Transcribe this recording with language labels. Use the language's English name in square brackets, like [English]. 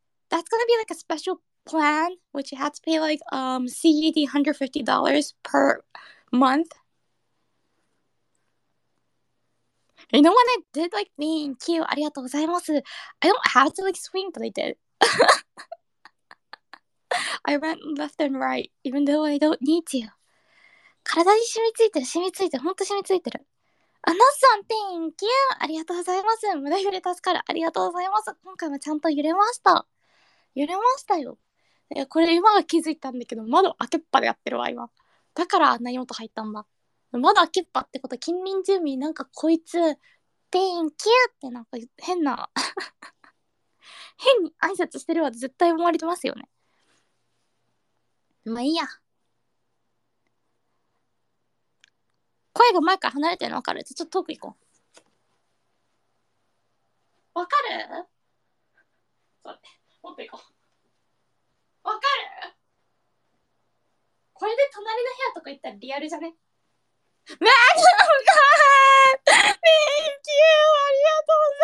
[English] That's gonna be like a special plan, which you have to pay like CED $150 per month. You know when I did like thank you, [Japanese] ありがとうございます。 [English] I don't have to like swing, but I did. I went left and right, even though I don't need to. [Japanese] 体に染みついてる、染みついてる、ほんと染みついてる。アナさん、 [English] thank you! [Japanese] ありがとうございます。胸揺れ助かる。ありがとうございます。今回もちゃんと揺れました。揺れましたよ。いや、これ今は気づいたんだけど、窓開けっぱでやってるわ、今。だから何音入ったんだ。窓開けっぱってこと、近隣住民、なんかこいつ、 [English] Thank you! [Japanese] ってなんか変な 変に挨拶してるわ、絶対思われてますよね。まあいいや。声が前から離れてるの分かる？ちょっと遠く行こう。分かる？そうね。もっと行こう。わかる？これで隣の部屋とか行ったらリアルじゃね？わあ、すごい！ [English] Thank you！ [Japanese] ありがと